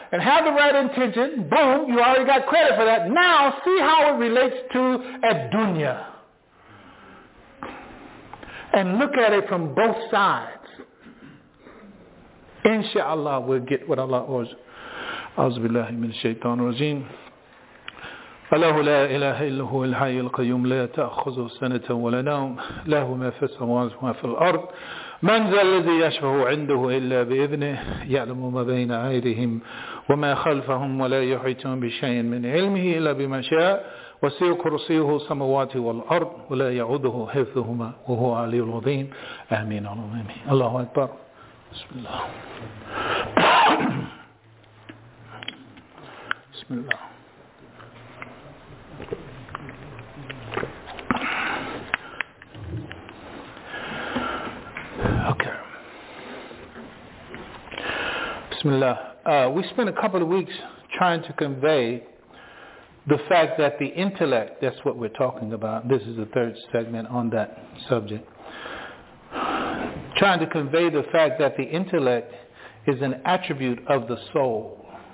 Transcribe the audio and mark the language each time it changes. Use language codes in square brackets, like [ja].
[en] And have the right intention. Boom. You already got credit for that. Now, see how it relates to ad-dunya. And look at it from both sides. Inshallah, we'll get what Allah orders. [ar] A'udhu billahi min shaitan rajeem. فله لا إله إلا هو الحي القيوم لا تأخذه سنة ولا نوم له ما في السماوات وما في الأرض من ذا الذي يشفع عنده إلا بإذنه يعلم ما بين أيديهم وما خلفهم ولا يحيطون بشيء من علمه إلا بما شاء وسع كرسيه السماوات والأرض ولا يعوده حفظهما وهو العلي العظيم آمين اللهم الله أكبر بسم الله بسم الله Bismillah. [en] We spent a couple of weeks trying to convey the fact that the intellect, that's what we're talking about. This is the third segment on that subject. Trying to convey the fact that the intellect is an attribute of the soul.